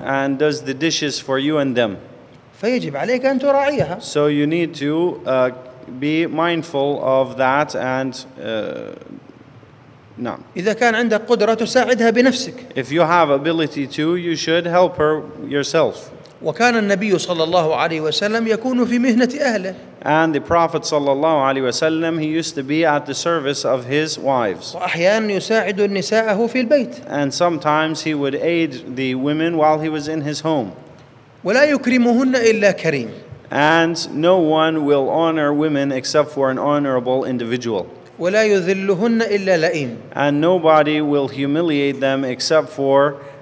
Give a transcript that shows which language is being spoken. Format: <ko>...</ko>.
<en>And does the dishes for you and them.</en> <ar>فيجب عليك أن تراعيها.</ar> <en>So you need to be mindful of that and نعم.</en> <ar>إذا كان عندك قدرة تساعدها بنفسك.</ar> <en>If you have ability to, you should help her yourself.</en> <ar>وكان النبي صلى الله عليه وسلم يكون في مهنة أهله.</ar> <en>And the Prophet</en> <ar>صلى الله عليه وسلم,</ar> <en>he used to be at the service of his wives.</en> <ar>وأحيانا يساعد نساءه في البيت.</ar> <en>And sometimes he would aid the women while he was in his home.</en> <ar>ولا يكرمهن إلا كريم.</ar> <en>And no one will honor women except for an honorable individual.</en> <ar>ولا يذلهن إلا لئيم.</ar> <en>And nobody will humiliate them except for</en>